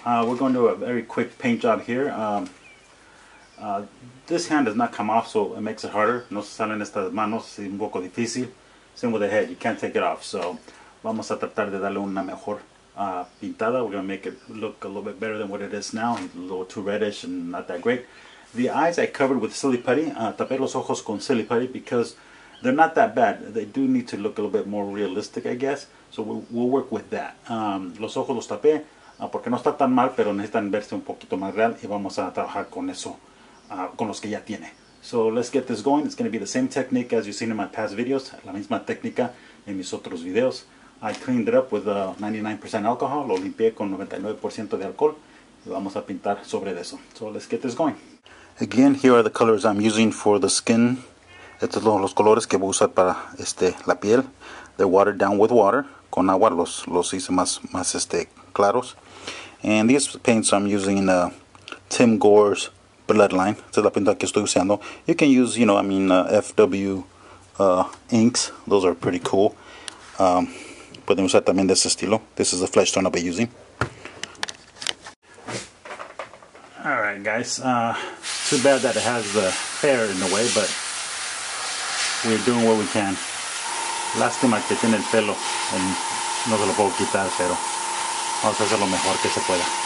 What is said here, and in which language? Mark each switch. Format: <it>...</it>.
<en>We're going to do a very quick paint job here. This hand does not come off, so it makes it harder.</en> <es>No se salen estas manos, es un poco difícil.</es> <en>Same with the head, you can't take it off.</en> <es>So, vamos a tratar de darle una mejor pintada.</es> <en>We're going to make it look a little bit better than what it is now. It's a little too reddish and not that great. The eyes I covered with Silly Putty.</en> <es>Tapé los ojos con Silly Putty</es> <en>because they're not that bad. They do need to look a little bit more realistic, I guess. So we'll work with that.</en> <es>Los ojos los tapé porque no está tan mal, pero necesitan verse un poquito más real y vamos a trabajar con eso, con los que ya tiene.</es> <en>So let's get this going. It's going to be the same technique as you've seen in my past videos,</en> <es>la misma técnica en mis otros videos.</es> <en>I cleaned it up with 99% alcohol,</en> <es>lo limpié con 99% de alcohol y vamos a pintar sobre eso.</es> <en>So let's get this going. Again, here are the colors I'm using for the skin.</en> <es>Estos son los colores que voy a usar para la piel.</es> <en>They're watered down with water.</en> <es>Con agua los hice más claros.</es> <en>And these paints I'm using Tim Gore's Bloodline.</en> <es>Esta es la pintura que estoy usando.</es> <en>You can use, FW inks. Those are pretty cool.</en> <es>Pueden usar también de ese estilo.</es> <en>This is the flesh tone I'll be using. Alright guys, too bad that it has the hair in the way, but we're doing what we can.</en> <es>Lástima que tiene el pelo, no se lo puedo quitar, pero vamos a hacer lo mejor que se pueda.</es>